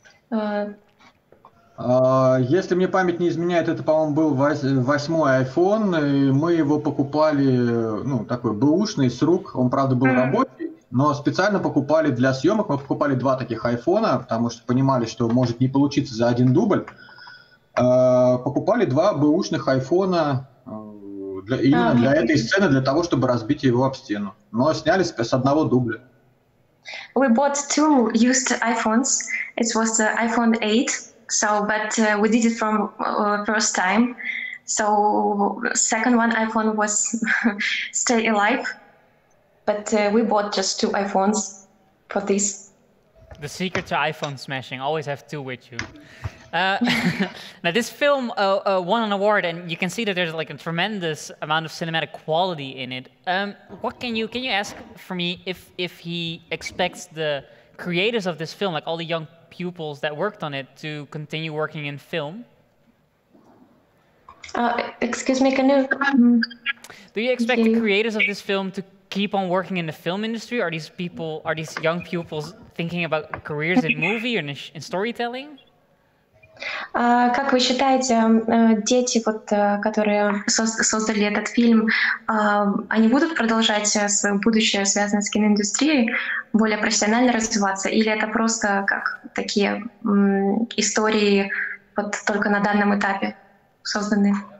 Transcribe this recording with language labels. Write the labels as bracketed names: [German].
[Russian] Если мне память не изменяет, это, по-моему, был восьмой iPhone, и мы его покупали, ну, такой бэушный, с рук, он, правда, был рабочий, но специально покупали для съемок, мы покупали два таких iPhone, потому что понимали, что может не получиться за один дубль, покупали два бэушных iPhone именно для этой сцены, для того, чтобы разбить его об стену, но сняли с одного дубля. [English] We bought two used iPhones, it was the iPhone 8. So, but we did it from first time. So, second one iPhone was stay alive, but we bought just two iPhones for this. The secret to iPhone smashing: always have two with you. now, this film won an award, and you can see that there's like a tremendous amount of cinematic quality in it. What can you ask for me if he expects the creators of this film, like all the young pupils that worked on it, to continue working in film? Excuse me, can you... Do you expect the creators of this film to keep on working in the film industry? Are these people, are these young pupils thinking about careers in movie and in storytelling? [Russian] Как вы считаете, дети, вот, которые создали этот фильм, они будут продолжать свое будущее, связанное с киноиндустрией, более профессионально развиваться? Или это просто как такие истории вот только на данном этапе созданы?